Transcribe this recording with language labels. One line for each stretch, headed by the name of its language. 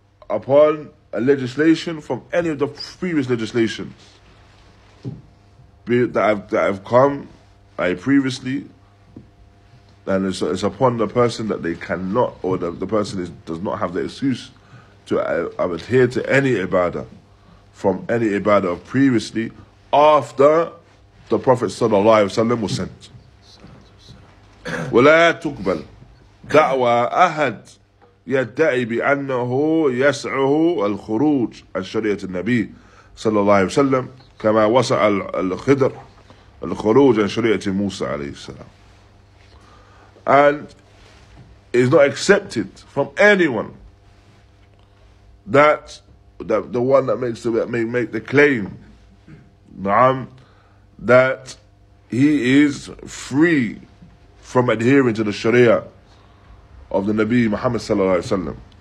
English: upon a legislation from any of the previous legislations that have come previously, and it's upon the person that they cannot, or the person does not have the excuse to adhere to any ibadah from any ibadah of previously after the Prophet sallallahu alaihi wasallam was sent.
Arabic: ولا تقبل دعوة أحد يدعي بأنه يسعه الخروج عن شريعة النبي صلى الله عليه وسلم كما وسع الخضر الخروج عن شريعة موسى عليه السلام.
English: And it's not accepted from anyone that the one that makes the make the claim, نعم, that he is free from adhering to the Sharia of the Nabi Muhammad صلى الله عليه وسلم.